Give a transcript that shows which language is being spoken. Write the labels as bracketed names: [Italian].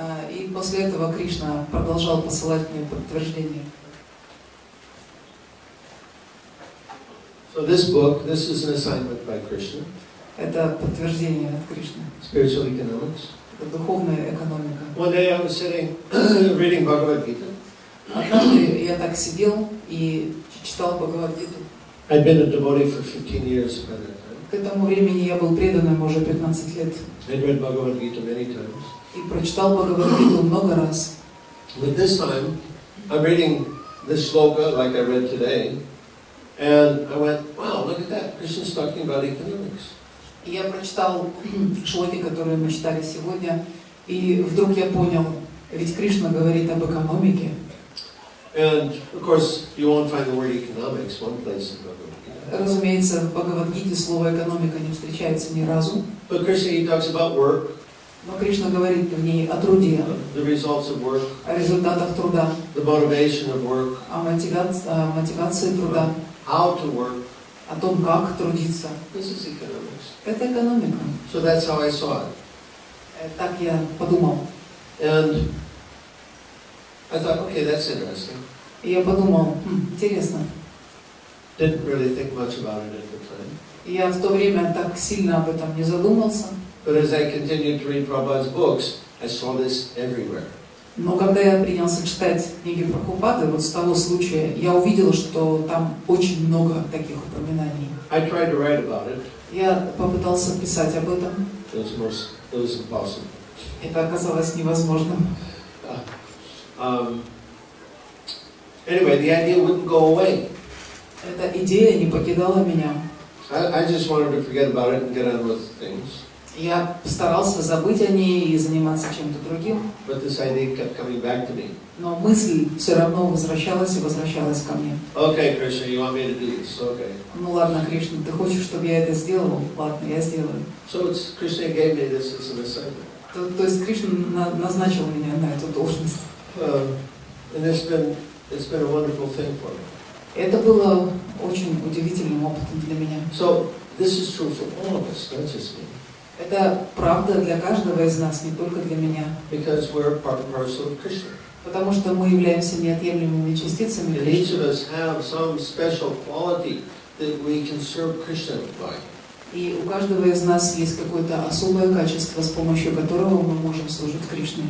[Russian] И после этого Кришна продолжал посылать мне подтверждения. [English] So this book, this is an assignment by Krishna. [Russian] Это подтверждение от Кришны. [English] Spiritual economics. [Russian] Это духовная экономика. [English] One day I was sitting reading Bhagavad Gita. [Russian] Однажды я так сидел и читал Бхагавад Гиту. [English] I'd been a devotee for 15 years by that time. [Russian] К этому времени я был преданным уже 15 лет. [English] I'd read Bhagavad Gita many times. [Russian] И прочитал Бхагавад Гиту много раз. [English] But this time I'm reading this shloka like I read today. And I went, wow, look at that, Krishna's talking about economics. [Russian] Я прочитал шлоки, которые мы читали сегодня, и вдруг я понял, ведь Кришна говорит об экономике. [English] And, of course, you won't find the word economics one place in Bhagavad-gita. [Russian] Разумеется, в Бхагавад-гите слово экономика не встречается ни разу. [English] But Krishna, he talks about work. [Russian] Но Кришна говорит в ней о труде. [English] The results of work. [Russian] О результатах труда. [English] The motivation of work. [Russian] О мотивации труда. [English] How to work. [Russian] О том, как трудиться. [English] This is economics. [Russian] Это экономика. [English] So that's how I saw it. [Russian] Так я подумал. [English] And I thought, okay, that's interesting. [Russian] И я подумал, интересно. [English] Didn't really think much about it at the time. [Russian] Я в то время так сильно об этом не задумался. [English] But as I continued to read Prabhupada's books, I saw this everywhere. [Russian] Но когда я принялся читать книги Прабхупады, вот с того случая, я увидел, что там очень много таких упоминаний. [English] I tried to write about it. [Russian] Я попытался писать об этом. [English] It was impossible. [Russian] Это оказалось невозможным. [English] Anyway, the idea wouldn't go away. [Russian] Эта идея не покидала меня. [English] I just wanted to forget about it and get on with things. [Russian] Я старался забыть о ней и заниматься чем-то другим. [English] But this idea kept coming back to me. [Russian] Но мысль все равно возвращалась и возвращалась ко мне. [English] Okay, Krishna, you want me to do this? Okay. [Russian] Ну ладно, Кришна, ты хочешь, чтобы я это сделал? Ладно, я сделаю. [English] So it's Krishna gave me this as an assignment. [Russian] То есть Кришна назначил меня на эту должность. [English] And it's been a wonderful thing for me. [Russian] Это было очень удивительным опытом для меня. [English] So this is true for all of us, not just me. [Russian] Это правда для каждого из нас, не только для меня. [English] Because we're part and parcel of Krishna. [Russian] Потому что мы являемся неотъемлемыми частицами Кришны. [English] Each of us have some special quality that we can serve Krishna by. [Russian] И у каждого из нас есть какое-то особое качество, с помощью которого мы можем служить Кришне.